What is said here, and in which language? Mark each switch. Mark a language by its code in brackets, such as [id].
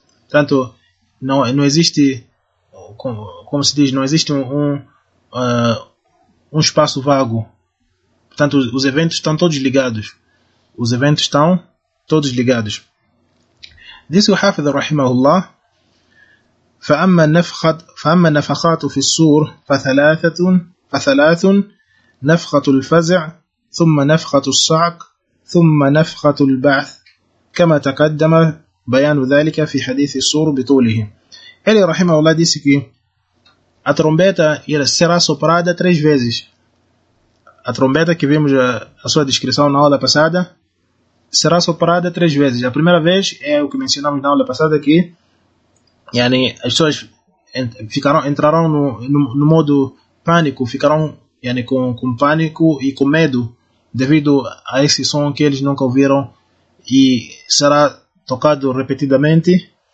[pt] Portanto, não existe, como se diz, não existe um espaço vago. Portanto, os eventos estão todos ligados. Os eventos estão todos ligados. Disse o Hafiz [ar] rahimahullah: فأما النفخات في الصور فثلاثة: نفخة الفزع، ثم نفخة الصعق، ثم نفخة البعث، كما تقدم بيان ذلك في حديث الصور بطوله. [pt] Ele rahimahullah disse que a trombeta será soprada três vezes. A trombeta, que vimos a sua descrição na aula passada, será soprada três vezes. A primeira vez é o que mencionamos na aula passada, que as pessoas entrarão no modo pânico, ficarão com pânico e com medo devido a esse som que eles nunca ouviram, e será tocado repetidamente.